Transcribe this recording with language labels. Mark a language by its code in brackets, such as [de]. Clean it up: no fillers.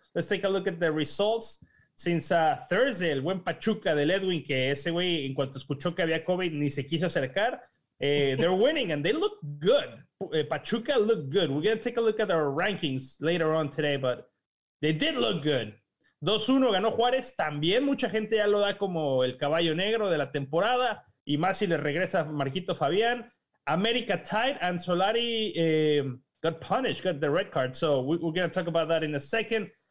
[en] Let's take a look at the results. Since Thursday, [es] el buen Pachuca del Edwin, que ese güey, en cuanto escuchó que había COVID, ni se quiso acercar, [en] they're winning and they look good. Pachuca looked good. We're going to take a look at our rankings later on today, but they did look good. [es] 2-1 ganó Juárez. También mucha gente ya lo da como el caballo negro de la temporada. Y más si le regresa Marquito Fabián. [en] América tied and Solari got punished, got the red card. So we're going to talk about that in a second.